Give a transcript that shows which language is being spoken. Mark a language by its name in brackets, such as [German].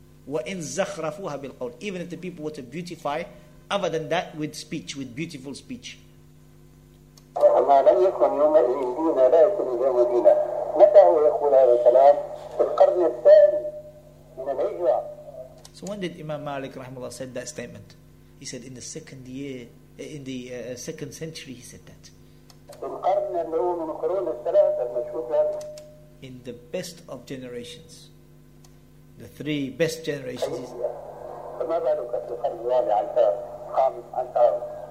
[Arabic] Wa in zakhrafuha bil qawl, [English] even if the people were to beautify, other than that, with speech, with beautiful speech. [Arabic] ما لم يكن يومئذ دينا لا يكون اليوم دينا. متى هو يقول هذا الكلام؟ في القرن الثاني من الهجرة. [English] So when did Imam Malik rahimahullah said that statement? He said in the second year, in the second century he said that. [Arabic] في القرن اللي هو من القرون الثلاثة المشهود [English] هذا. In the best of generations. The three best generations. [Arabic] فما بالك في القرن الرابع الخامس الخامس.